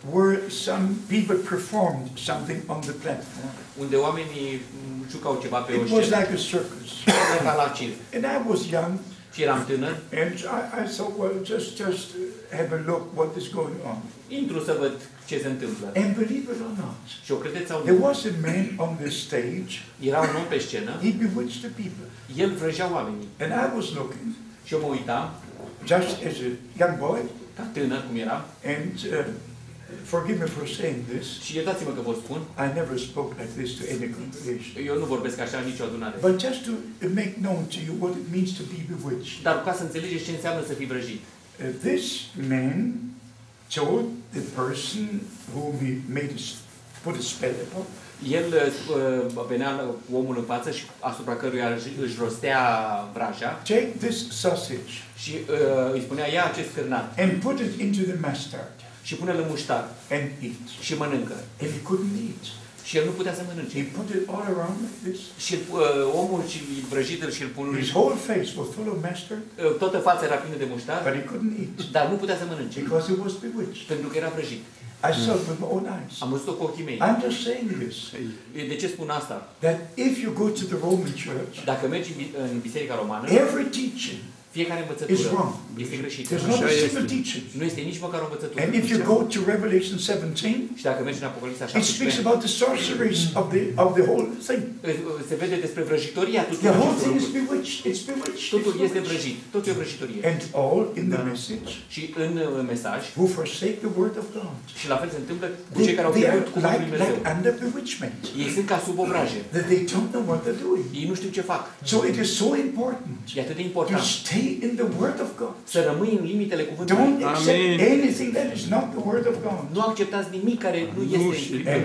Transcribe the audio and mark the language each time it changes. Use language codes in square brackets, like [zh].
[en] Where some people performed something on the platform. [ro] Unde oamenii jucau ceva pe o scenă. [en] It was like a circus. [ro] Era la circ. [en] And I was young. [ro] Și eram tânăr. [en] And I thought, well, just have a look what is going on. [ro] Intru să văd ce se întâmplă. [en] And believe it or not. [ro] Și o credeți sau nu? [en] There was a man on the stage. [ro] Era un om pe scenă. [en] He bewitched the people. [ro] El vrăjea oamenii. [en] And I was looking. [ro] Și eu mă uitam. [en] Just as a young boy, [ro] ca tânăr cum eram, [en] and forgive me for saying this. [ro] Și iertați-mă că vă spun. [en] I never spoke like this to any congregation. [ro] Eu nu vorbesc așa nicio adunare. [en] But just to make known to you what it means to be bewitched. [ro] Dar ca să înțelegeți ce înseamnă să fii vrăjit. [en] This man told the person whom he made put a spell upon. [ro] El venea omul în față și asupra căruia își rostea vraja. [en] Take this sausage. [ro] Și îi spunea, ia acest cârnat. [en] And put it into the mustard. [ro] Și pune-l în muștar. [en] And eat. [ro] Și mănâncă. [en] And he couldn't eat. [ro] Și el nu putea să mănânce. [en] He put it all around like this. [ro] Și omul și vrăjitul și îl pune. [en] His whole face was full of mustard. [ro] Toată fața era plină de muștar. [en] But he couldn't eat. [ro] Dar nu putea să mănânce. [en] Because he was bewitched. [ro] Pentru că era vrăjit. [en] I saw it with my own eyes. [ro] Am văzut-o cu ochii mei. [en] I'm just saying this. [ro] De ce spun asta? [en] That if you go to the Roman Church, [ro] dacă mergi în biserica romană, [en] every teaching, [ro] fiecare învățătură este greșită. [en] There's not a single teaching. [ro] Nu este nici măcar o învățătură. [en] And if you go to Revelation 17, [ro] și dacă mergi în Apocalipsa 17, [en] it speaks about the sorceries of the whole thing. [ro] Se vede despre vrăjitoria tuturor. [en] The whole thing is bewitched. It's bewitched. [ro] Totul este vrăjit. Totul e vrăjitorie. [en] And all in the message. [ro] Și în mesaj. [en] Who forsake the word of God? [ro] Și la fel se întâmplă cu cei care au pierdut cuvântul lui Dumnezeu. [en] Like under bewitchment. [ro] Ei sunt ca sub obraje. [en] That they don't know what they're doing. [ro] Ei nu știu ce fac. [en] So it is so important. [ro] E atât de important. [en] In the word of God. [ro] Să rămâi în limitele cuvântului. [en] Don't accept anything that is not the word of God. [ro] Nu acceptați nimic care nu este